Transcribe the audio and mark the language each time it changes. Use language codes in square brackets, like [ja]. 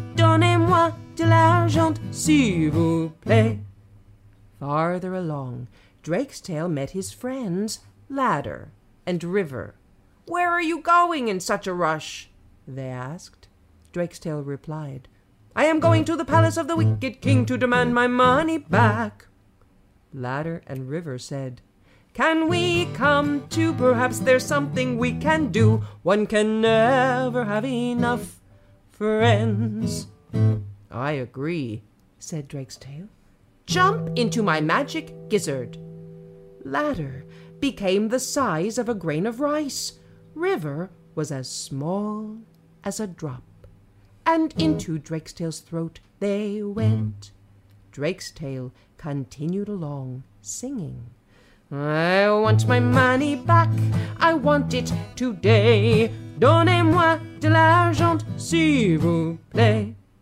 [fr] Donnez-moi de l'argent, s'il vous plaît." [en] Farther along, Drake's Tail met his friends, Ladder and River. "Where are you going in such a rush?" they asked. Drake's Tail replied, "I am going to the palace of the wicked king to demand my money back." Ladder and River said, "Can we come too? Perhaps there's something we can do. One can never have enough friends." "I agree," said Drake's Tail. "Jump into my magic gizzard." Ladder became the size of a grain of rice. River was as small as a drop. and into Drakestail's throat they went. Drakestail continued along, singing. I want my money back, I want it today. [fr] Donnez-moi de l'argent, s'il vous plaît.